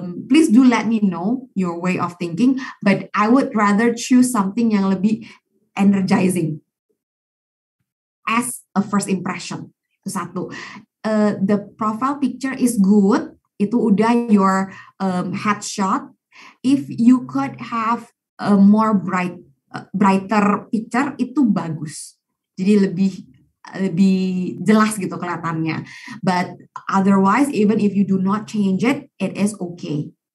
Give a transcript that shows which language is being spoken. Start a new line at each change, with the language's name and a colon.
English: Please do let me know your way of thinking, but I would rather choose something yang lebih energizing as a first impression.
Indonesian: Itu satu.
English: The profile picture is good. Itu udah your headshot. If you could have a more brighter picture, itu bagus.
Indonesian: Jadi lebih jelas gitu kelihatannya.
English: But otherwise, even if you do not change it, it is okay.